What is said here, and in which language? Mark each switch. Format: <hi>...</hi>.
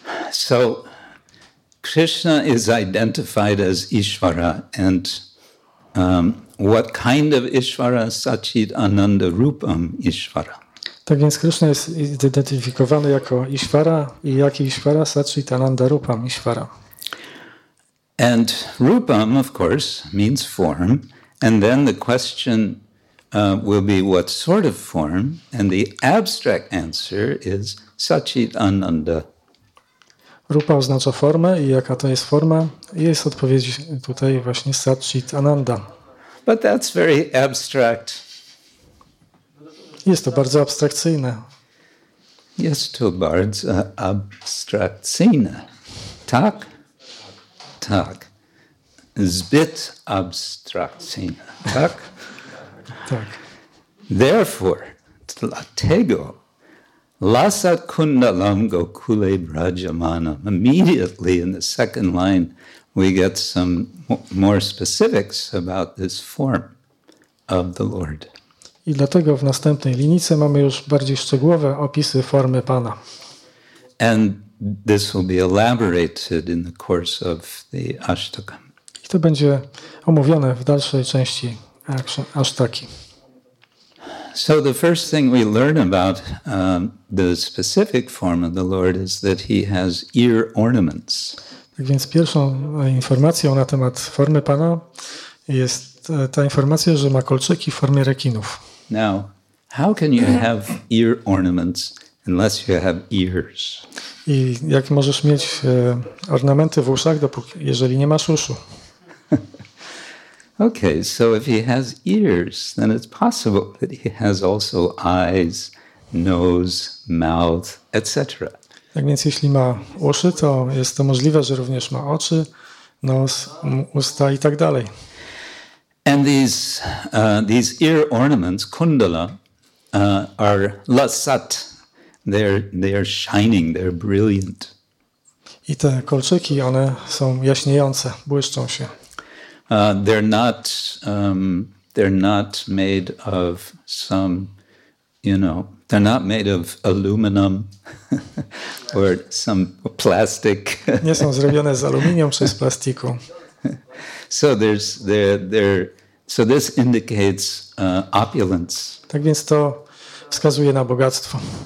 <en>So Krishna is identified as Ishvara, and what kind of Ishvara?</en> <sa>Sachit Ananda Rupam Ishvara.</sa> <pl>Tak więc Krishna jest identyfikowany jako Ishvara, i jaki Ishvara?</pl> <sa>Sachit Ananda Rupam Ishvara.</sa> <en>And Rupam, of course, means form, and then the question will be what sort of form, and the abstract answer is Sachit Ananda.</en> <pl>Rupa oznacza formę i jaka to jest forma? Jest odpowiedź tutaj właśnie Sachit Ananda.</pl> <en>But that's very abstract.</en> <pl>Jest to bardzo abstrakcyjne. Jest to bardzo abstrakcyjne. Tak? Tak. Zbyt abstrakcyjne. Tak? Tak.</pl> <en>Therefore,</en> <pl>dlatego</pl> <sa>Lasa kundalam gokule brajamanam.</sa> <en>Immediately in the second line, we get some more specifics about this form of the Lord.</en> <pl>I dlatego w następnej linijce mamy już bardziej szczegółowe opisy formy Pana.</pl> <en>And this will be elaborated in the course of the Ashtaka.</en> <pl>I to będzie omówione w dalszej części Ashtaki.</pl> <en>So the first thing we learn about the specific form of the Lord is that he has ear ornaments.</en> <pl>Tak więc pierwszą informacją na temat formy Pana jest ta informacja, że ma kolczyki w formie rekinów.</pl> <en>Now, how can you have ear ornaments unless you have ears?</en> <pl>I jak możesz mieć ornamenty w uszach, dopóki, jeżeli nie masz uszu?</pl> <en>Okay, so if he has ears, then it's possible that he has also eyes, nose, mouth, etc.</en> <pl>Tak więc jeśli ma uszy, to jest to możliwe, że również ma oczy, nos, usta i tak dalej.</pl> <en>And these ear ornaments, kundala, are lasat. They are shining, they're brilliant.</en> <pl>I te kolczyki, one są jaśniejące, błyszczą się.</pl> <en>They're not made of some, you know, they're not made of aluminum or some plastic.</en> <pl>Nie są zrobione z aluminium czy z plastiku.</pl> <en>So this indicates opulence.</en> <pl>Tak więc to wskazuje na bogactwo.</pl>